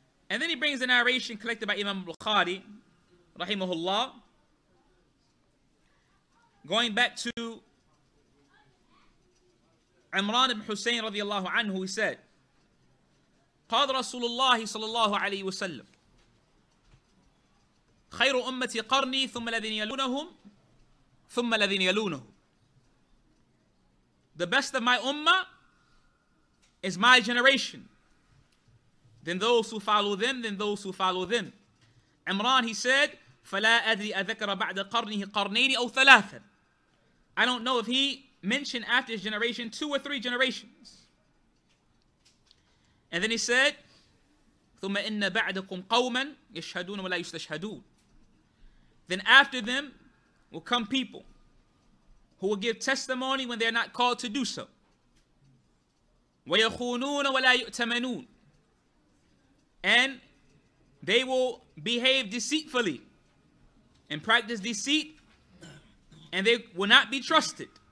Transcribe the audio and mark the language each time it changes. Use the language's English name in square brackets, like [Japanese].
[English] And then he brings a narration collected by Imam Bukhari, rahimahullah, going back to Imran ibn Hussein radiallahu anhu, he said, [Arabic] قال رسول الله صلى الله عليه وسلم خير أمتي قرني ثم الذين يلونهم [English] ثم الذين يلونهم. The best of my ummah is my generation. Then those who follow them, then those who follow them. Imran, he said, [Arabic] فلا أدري أذكر بعد قرنه قرنين أو ثلاثا. [English] I don't know if he mentioned after his generation two or three generations. And then he said, [Arabic] ثم إن بعدكم قوما يشهدون ولا يستشهدون. [English] Then after them will come people who will give testimony when they are not called to do so. [Arabic] ويخونون ولا يؤتمنون. [English] And they will behave deceitfully and practice deceit, and they will not be trusted.